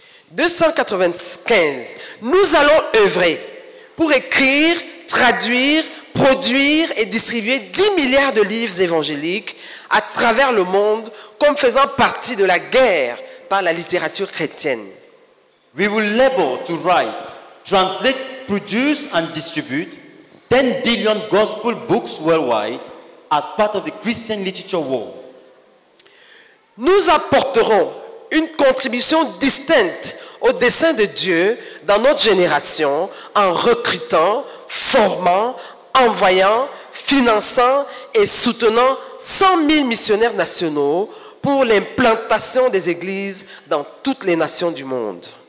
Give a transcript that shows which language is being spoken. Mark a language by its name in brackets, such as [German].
[French] 295, nous allons œuvrer pour écrire, traduire, produire et distribuer 10 milliards de livres évangéliques à travers le monde comme faisant partie de la guerre par la littérature chrétienne. [English] We will labor to write, translate, produce and distribute 10 billion gospel books worldwide as part of the Christian literature war. [French] Nous apporterons une contribution distincte au dessein de Dieu dans notre génération en recrutant, formant, envoyant, finançant et soutenant 100 000 missionnaires nationaux pour l'implantation des églises dans toutes les nations du monde.